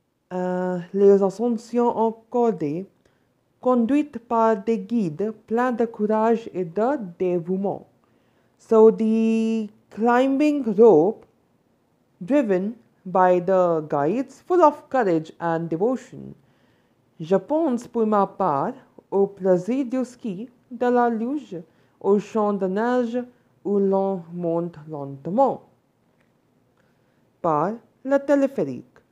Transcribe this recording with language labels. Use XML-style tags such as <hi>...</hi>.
<fr>Les ascensions en cordée, conduites par des guides pleins de courage et de dévouement.</fr> <en>So the climbing rope driven by the guides full of courage and devotion.</en> <fr>Je pense pour ma part au plaisir du ski, de la luge, au champ de neige, où l'on monte lentement par le téléphérique.</fr>